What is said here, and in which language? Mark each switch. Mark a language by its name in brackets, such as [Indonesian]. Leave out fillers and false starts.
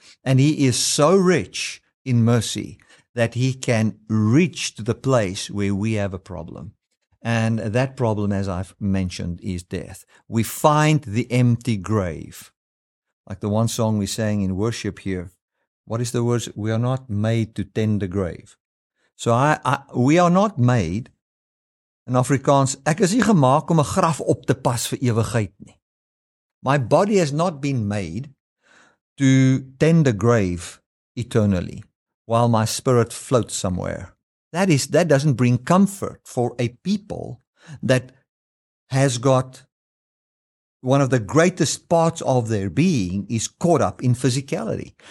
[English] And He is so rich in mercy that He can reach to the place where we have a problem. And that problem, as I've mentioned, is death. We find the empty grave. Like the one song we sang in worship here. What is the words? We are not made to tend the grave. So we are not made, in Afrikaans, [Afrikaans] ek is nie gemaak om 'n graf op te pas vir ewigheid nie. [English] My body has not been made to tend the grave eternally while my spirit floats somewhere. That doesn't bring comfort for a people that has got one of the greatest parts of their being is caught up in physicality.